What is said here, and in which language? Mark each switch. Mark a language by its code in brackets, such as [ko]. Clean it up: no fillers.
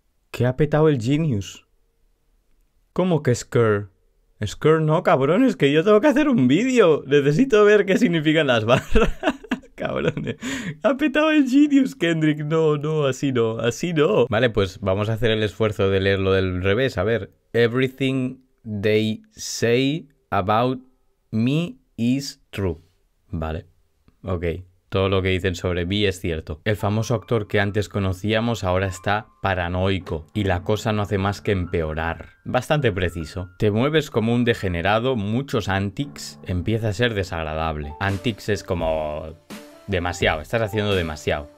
[es] Que ha petado el Genius. ¿Cómo que Skrr? Skrr, no, cabrón, es que yo tengo que hacer un vídeo. Necesito ver qué significan las barras. Cabrón, ha petado el Genius, Kendrick. No, no, así no, así no. Vale, pues vamos a hacer el esfuerzo de leerlo del revés. A ver. [en] Everything they say about me is true. [es] Vale. Ok. Todo lo que dicen sobre mí es cierto. El famoso actor que antes conocíamos ahora está paranoico y la cosa no hace más que empeorar. Bastante preciso. Te mueves como un degenerado, muchos antics, empieza a ser desagradable. Antics es como demasiado, estás haciendo demasiado.